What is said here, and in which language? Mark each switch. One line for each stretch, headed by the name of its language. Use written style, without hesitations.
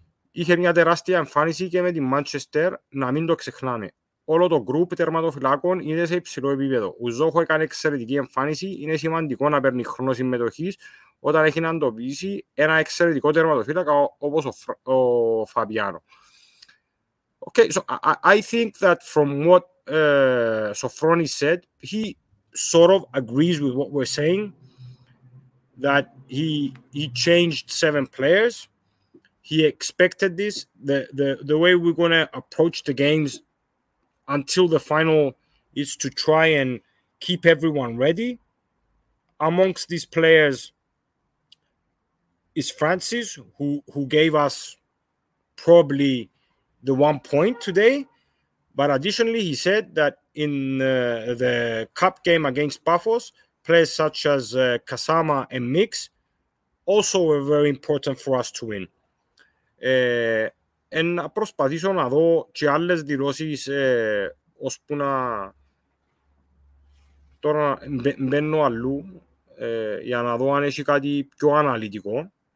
Greek: Είχε μια τεράστια εμφάνιση και με τη Manchester, να μην το ξεχνάμε. Όλο το γκρουπ τερματοφυλάκων είναι σε υψηλό επίπεδο. Ο Ζόχο έκανε εξαιρετική εμφάνιση, είναι σημαντικό να παίρνει χρόνο συμμετοχής όταν έχει να εντοπίσει ένα εξαιρετικό τερματοφύλακα όπως ο Φαμπιάνο.
English: Okay, so I think that from what Sofroni said, he sort of agrees with what we're saying, that he changed seven players. He expected this. The way we're going to approach the games until the final is to try and keep everyone ready. Amongst these players is Francis, who gave us probably the one point today. But additionally, he said that in the cup game against Paphos, players such as Kasama and Mix also were very important for us to win.
Greek: Να προσπαθήσω να δω και άλλες δηλώσεις ώσπου να τώρα μπαίνω αλλού για να δω αν έχει κάτι πιο αναλυτικό.